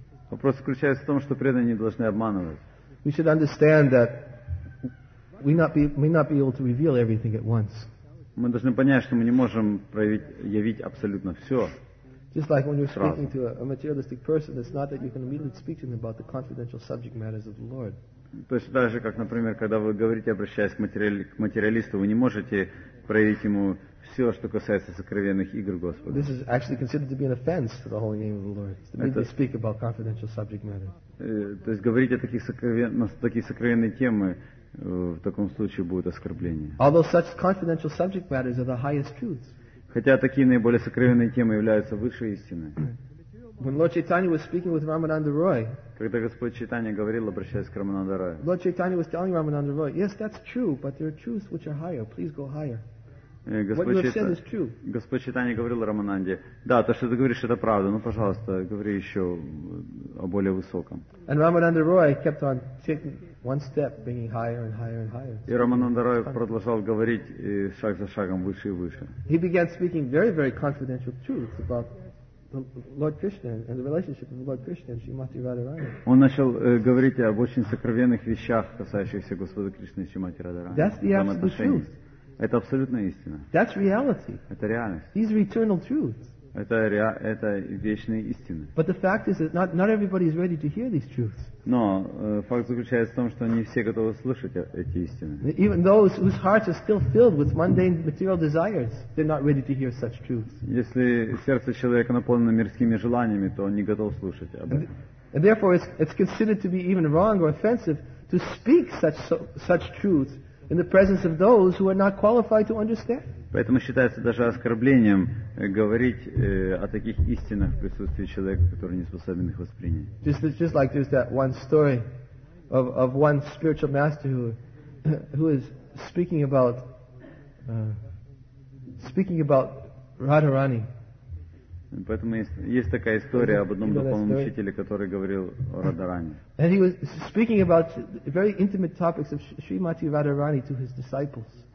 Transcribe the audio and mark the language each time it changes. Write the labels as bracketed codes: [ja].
[ru] Вопрос заключается в том, что преданные не должны обманывать. [en] We should understand that we may not be able to reveal everything at once. [ru] Мы должны понять, что мы не можем проявить, явить абсолютно все. [en] Just like when you're speaking to a materialistic person, it's not that you can immediately speak to them about the confidential subject matters of the Lord. [ru] То есть даже как, например, когда вы говорите, обращаясь к материалисту, вы не можете проявить ему все, что касается сокровенных игр Господа. [en] This is actually considered to be an offense to the holy name of the Lord, to immediately speak about confidential subject matter. [ru] То есть говорить о таких сокровенных темах в таком случае будет оскорбление. [en] Although such confidential subject matters are the highest truths. [ru] Хотя такие наиболее сокровенные темы являются высшей истиной. [en] When Lord Chaitanya was speaking with Ramananda Roy, [ru] когда Господь Чайтанья говорил, обращаясь к Рамананде Рою, [en] Lord Chaitanya was telling Ramananda Roy, yes, that's true, but there are truths which are higher. Please go higher. What you have said is true. [ru] Господь Чайтанья говорил Рамананде, да, то, что ты говоришь, это правда, но, пожалуйста, говори еще о более высоком. [en] And Ramananda Roy kept on taking one step, bringing higher and higher and higher. [ru] И Рамананда Рой продолжал говорить шаг за шагом выше и выше. [en] He began speaking very, very confidential truths about Lord Krishna and the relationship of Lord Krishna and Srimati Radharani. [ru] Он начал говорить об очень сокровенных вещах, касающихся Господа Кришны и Шримати Радхарани. [en] That's the absolute truth. [ru] Это абсолютная истина. [en] That's reality. [ru] Это реальность. [en] These are eternal truths. [ru] Это вечные истины. [en] But the fact is that not everybody is ready to hear these truths. [ru] Но факт заключается в том, что не все готовы слышать эти истины. [en] Even those whose hearts are still filled with mundane material desires, they're not ready to hear such truths. [ru] Если сердце человека наполнено мирскими желаниями, то он не готов слушать об этом. [en] And therefore it's considered to be even wrong or offensive to speak such truths in the presence of those who are not qualified to understand. [ru] Поэтому считается даже оскорблением говорить о таких истинах в присутствии человека, который не способен их воспринять. [en] Just like there's that one story of one spiritual master who is speaking about Radharani. [ru] Поэтому есть такая история об одном духовном учителе, который говорил о Радхаране. [en] And he was speaking about very intimate topics of Srimati Radharani to his disciples.